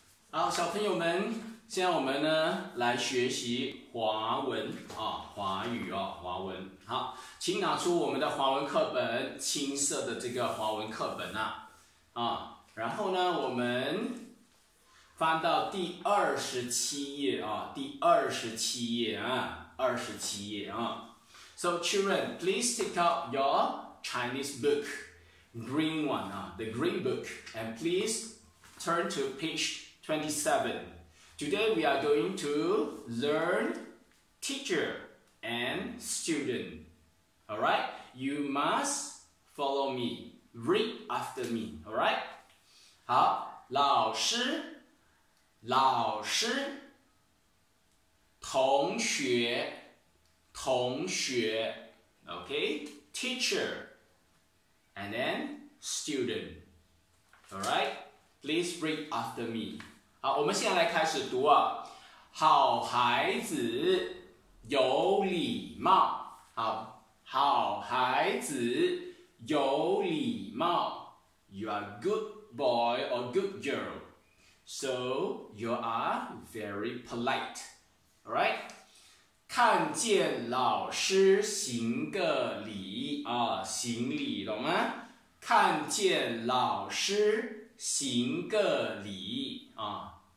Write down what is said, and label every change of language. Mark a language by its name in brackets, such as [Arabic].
[Chinese] 好，小朋友们，现在我们呢来学习华文啊，华语哦，华文。好，请拿出我们的华文课本，青色的这个华文课本啊，然后呢，我们翻到第27页啊，第27页啊，27页啊。 [English] So children, please take out your Chinese book, green one 啊，the green book, and please turn to page 27. Today we are going to learn teacher and student. All right, you must follow me, read after me. All right, [Chinese] 好，老师，老师，同学，同学， [English] OK, teacher, and then student. All right, please read after me. [Chinese] 好，我们现在来开始读啊。好孩子有礼貌，好，好孩子有礼貌。 [English] You are good boy or good girl, so you are very polite. All right, [Chinese] 看见老师行个礼啊，行礼，懂吗？看见老师行个礼啊。